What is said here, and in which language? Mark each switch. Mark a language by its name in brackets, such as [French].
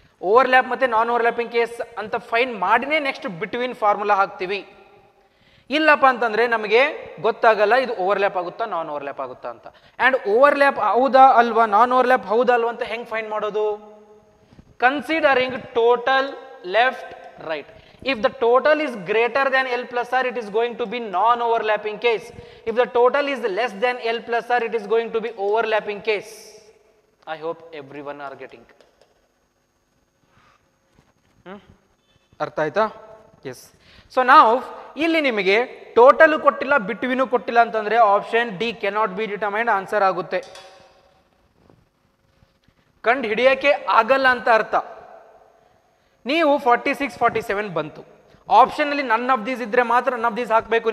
[Kannada] Over ಲ್ಯಾಪ್ ಮತ್ತು ನಾನ್ over lapping case ಅಂತ fine ಮಾಡಿನೇ ನೆಕ್ಸ್ಟ್ ಬಿಟ್ವೀನ್ ಫಾರ್ಮುಲಾ ಹಾಕ್ತೀವಿ. ಇಲ್ಲಪ್ಪ ಅಂತಂದರೆ ನಮಗೆ ಗೊತ್ತಾಗಲ್ಲ ಇದು ಓವರ್ ಲ್ಯಾಪ್ ಆಗುತ್ತಾ ನಾನ್ ಓವರ್ ಲ್ಯಾಪ್ ಆಗುತ್ತಾ ಅಂತ. ಆ್ಯಂಡ್ ಓವರ್ ಲ್ಯಾಪ್ ಹೌದಾ ಅಲ್ವಾ, ನಾನ್ ಓವರ್ ಲ್ಯಾಪ್ ಹೌದಾ ಅಲ್ವಾ ಅಂತ ಹೆಂಗೆ ಫೈನ್ ಮಾಡೋದು? Considering total left right. [English] If the total is greater than L plus R, it is going to be non-overlapping case. If the total is less than L plus R, it is going to be overlapping case. I hope everyone are getting. [Kannada] Artha aita? [English] Yes. [Kannada] So now, ಇಲ್ಲಿ ನಿಮಗೆ total ಕೊಟ್ಟಿಲ್ಲ between ಕೊಟ್ಟಿಲ್ಲ ಅಂತಂದ್ರೆ option D cannot be determined answer ಆಗುತ್ತೆ. ಕಂಡು ಹಿಡಿಯೋಕೆ ಆಗಲ್ಲ ಅಂತ ಅರ್ಥ. ನೀವು 46-47 ಬಂತು ಆಪ್ಷನ್ ಅಲ್ಲಿ, ನನ್ ಆಫ್ ದೀಸ್ ಇದ್ರೆ ಮಾತ್ರ ನನ್ ಆಫ್ ದೀಸ್ ಹಾಕ್ಬೇಕು.